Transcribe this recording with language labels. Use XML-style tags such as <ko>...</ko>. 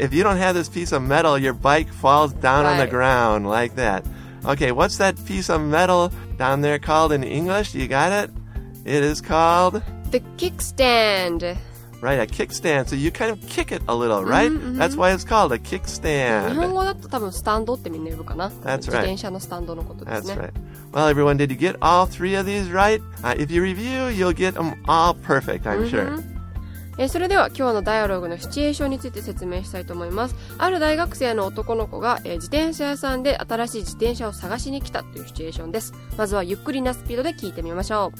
<en>If you don't have this piece of metal, your bike falls down on the ground like that. Okay, what's that piece of metal down there called in English? You got it? It is called... the kickstand. Right, a kickstand. So you kind of kick it a little, right? Mm-hmm. That's why it's called a kickstand.</en> <ja>日本語だと多分スタンドってみんな呼ぶかな。</ja> <en>That's right.</en> <ja>自転車のスタンドのことですね。</ja> <en>That's right. Well, everyone, did you get all three of these right? If you review, you'll get them all perfect, I'm sure.</en> <ja>それでは今日のダイアログのシチュエーションについて説明したいと思います。ある大学生の男の子が自転車屋さんで新しい自転車を探しに来たというシチュエーションです。まずはゆっくりなスピードで聞いてみましょう。</ja>